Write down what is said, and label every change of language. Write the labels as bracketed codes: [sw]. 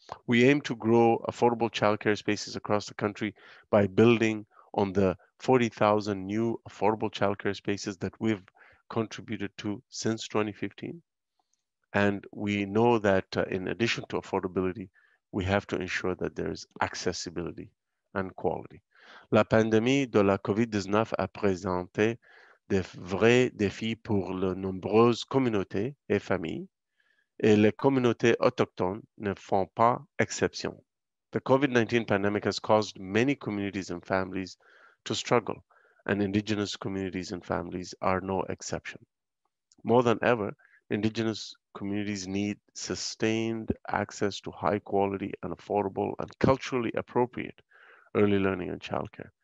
[en] We aim to grow affordable childcare spaces across the country by building on the 40,000 new affordable childcare spaces that we've contributed to since 2015. And we know that in addition to affordability, we have to ensure that there is accessibility and quality. [fr] La pandémie de la COVID-19 a présenté des vrais défis pour de nombreuses communautés et familles, et les communautés autochtones ne font pas exception. [en] The COVID-19 pandemic has caused many communities and families to struggle, and Indigenous communities and families are no exception. More than ever, Indigenous communities need sustained access to high quality and affordable and culturally appropriate early learning and childcare.